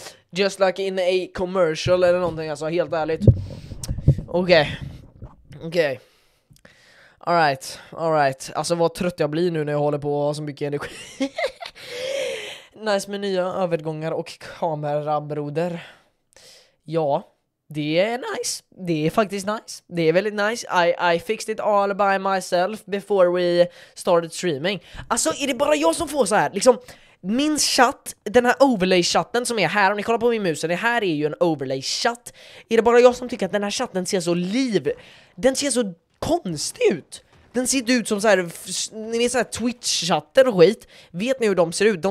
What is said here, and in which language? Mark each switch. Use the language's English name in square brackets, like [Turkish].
[English] Just like in a commercial [Swedish] eller någonting, alltså helt ärligt. Okej. [English] All right. [Swedish] Alltså vad trött jag blir nu när jag håller på och har så mycket energi. Nice med nya övergångar och kamerabroder. Ja, det är nice. Det är faktiskt nice. Det är väldigt nice. [English] I fixed it all by myself before we started streaming. [Swedish] Alltså är det bara jag som får så här liksom. Min chatt, den här overlay-chatten som är här, om ni kollar på min mus, det här är ju en overlay-chatt. Är det bara jag som tycker att den här chatten ser så liv... Den ser så konstig ut. Den ser ut som så här, ni vet såhär Twitch-chatter och skit. Vet ni hur de ser ut?